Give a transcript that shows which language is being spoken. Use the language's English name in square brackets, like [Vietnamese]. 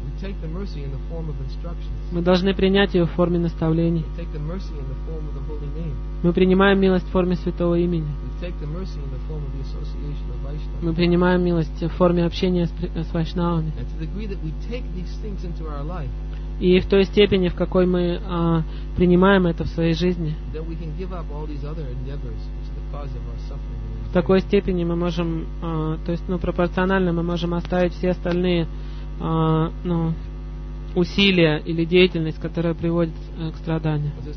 [English] Take the mercy in the form of instructions. [Russian] Мы должны принять ее в форме наставлений. [English] We take the mercy in the form of the holy name. [Russian] Мы принимаем милость в форме святого имени. [English] We take the mercy in the form of the association of Vaishnavas. [Russian] Мы принимаем милость в форме общения с вайшнавами. [English] And to the degree that we take these things into our life. [Russian] И в той степени, в какой мы принимаем это в своей жизни. [English] Then we can give up all these other endeavors which are the cause of our suffering. [Russian] В такой степени мы можем, то есть, ну, пропорционально мы можем оставить все остальные ну, усилия или деятельность, которая приводит к страданию.